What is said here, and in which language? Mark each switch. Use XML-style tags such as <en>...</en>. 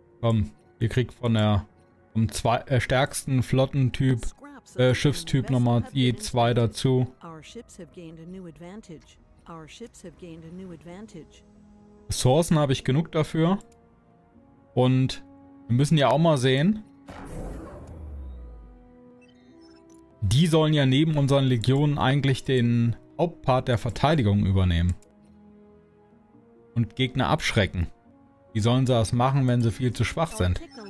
<de>Komm, ihr kriegt von der vom zwei, stärksten Flottentyp Schiffstyp nochmal je zwei dazu.</de> <en>Our ships have gained a new advantage. Our ships have gained a new advantage.</en> <de>Ressourcen habe ich genug dafür. Und wir müssen ja auch mal sehen. Die sollen ja neben unseren Legionen eigentlich den Hauptpart der Verteidigung übernehmen. und Gegner abschrecken. Wie sollen sie das machen, wenn sie viel zu schwach sind?</de>